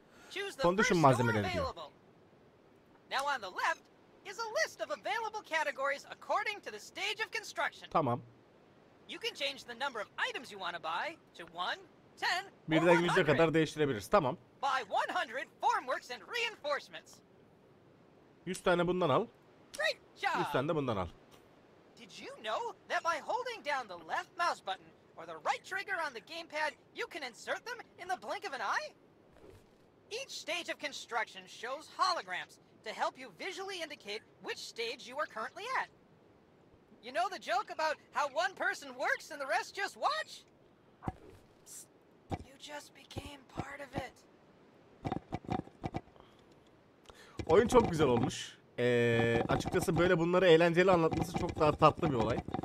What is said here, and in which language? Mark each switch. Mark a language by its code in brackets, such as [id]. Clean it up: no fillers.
[en] Choose the first [tr] malzemeleri diyor. [en] Now on the left is a list of available categories according to the stage of construction. [tr] Tamam. [en] You can change the number of items you want to buy to 1, 10, or 100. [tr] 100'e kadar değiştirebiliriz. Tamam. [en] Buy 100 formworks and reinforcements. [tr] 100 tane bundan al. [en] Great job. [tr] 100 tane de bundan al. [en] Did you know that by holding down the left mouse button or the right trigger on the gamepad, you can insert them in the blink of an eye? Each stage of construction shows holograms to help you visually indicate which stage you are currently at. You know the joke about how one person works and the rest just watch? You just became part of it. [tr] Oyun çok güzel olmuş. Açıkçası böyle bunları eğlenceli anlatması çok daha tatlı bir olay.